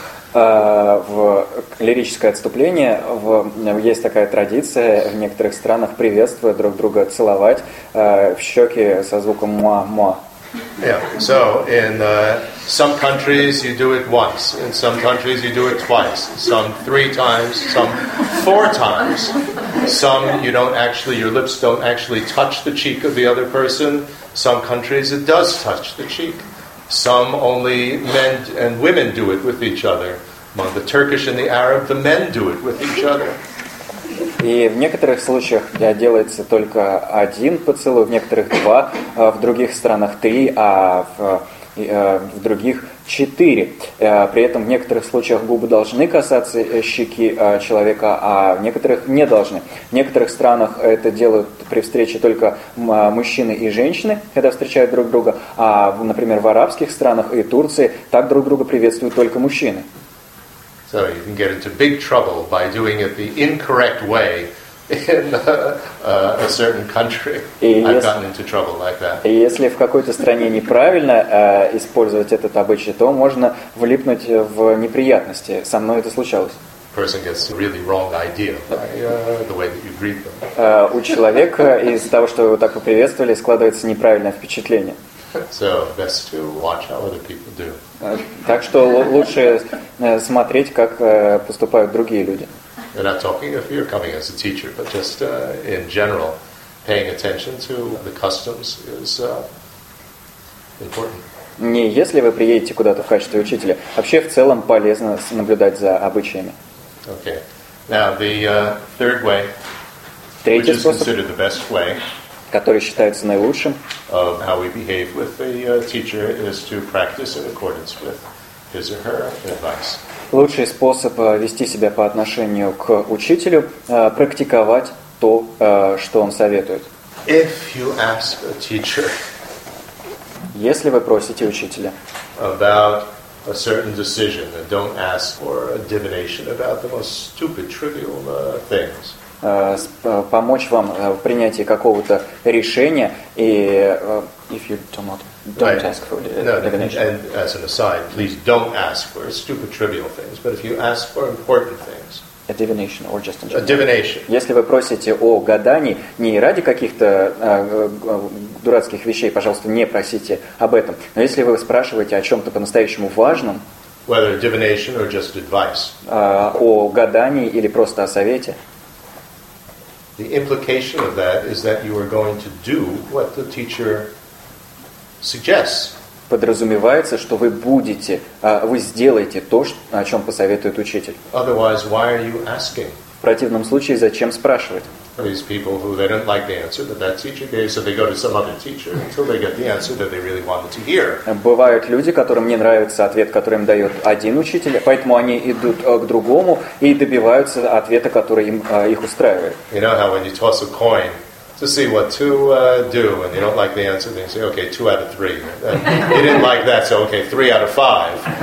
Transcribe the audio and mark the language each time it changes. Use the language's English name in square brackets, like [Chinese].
[Russian] В лирическое отступление есть такая традиция в некоторых странах приветствуя друг друга целовать в щеки со звуком муа-муа. [English] Yeah, so in some countries you do it once, in some countries you do it twice, some three times, some four times, some you don't actually, your lips don't actually touch the cheek of the other person, some countries it does touch the cheek. Some only men and women do it with each other. Among the Turkish and the Arab, the men do it with each other. [Russian] И в некоторых случаях делается только один поцелуй, в некоторых два, в других странах три, а в других четыре. При этом в некоторых случаях губы должны касаться щеки человека, а в некоторых не должны. В некоторых странах это делают при встрече только мужчины и женщины, когда встречают друг друга, а, например, в арабских странах и Турции так друг друга приветствуют только мужчины. [English] So you can get into big trouble by doing it the incorrect way. In a certain country, I've gotten into trouble like that. [Russian] И если в какой-то стране неправильно использовать этот обычай, то можно влипнуть в неприятности. Со мной это случалось. [English] Person gets a really wrong idea by the way that you greet them. [Russian] У человека из-за того, что его так поприветствовали, складывается неправильное впечатление. [English] So best to watch how other people do. [Russian] Так что лучше смотреть, как поступают другие люди. [English] I'm not talking if you're coming as a teacher, but just in general, paying attention to the customs is important. [Russian] не если вы приедете куда-то в качестве учителя, вообще в целом полезно наблюдать за обычаями. [English] Okay. Now the third way, [Russian] третий способ, [English] which is considered the best way, [Russian] который считается наилучшим, [English] of how we behave with the teacher is to practice in accordance with his or her advice. [Russian] Лучший способ вести себя по отношению к учителю – практиковать то, что он советует. [English] If you ask a teacher, [Russian] если вы просите учителя [English] about a certain decision, and don't ask for a divination about the most stupid, trivial things. [Russian] Помочь вам в принятии какого-то решения и [English] if you don't ask for divination. And as an aside, please don't ask for stupid, trivial things. But if you ask for important things. A divination or just a divination. [Russian] Если вы просите о гадании не ради каких-то дурацких вещей, пожалуйста, не просите об этом. Но если вы спрашиваете о чем-то по-настоящему важном, [English] whether divination or just advice, [Russian] о гадании или просто о совете, [English] the implication of that is that you are going to do what the teacher suggests. [Russian] Подразумевается, что вы будете, вы сделаете то, о чем посоветует учитель. [English] Otherwise, why are you asking? [Russian] В противном случае, зачем спрашивать? [English] These people who they don't like the answer that that teacher gave, so they go to some other teacher until they get the answer that they really wanted to hear. [Russian] Бывают люди, которым не нравится ответ, который им дает один учитель, поэтому они идут к другому и добиваются ответа, который им их устраивает. [English] You know how when you toss a coin to see what two do, and they don't like the answer, they say, okay, two out of three. You didn't like that, so okay, three out of five.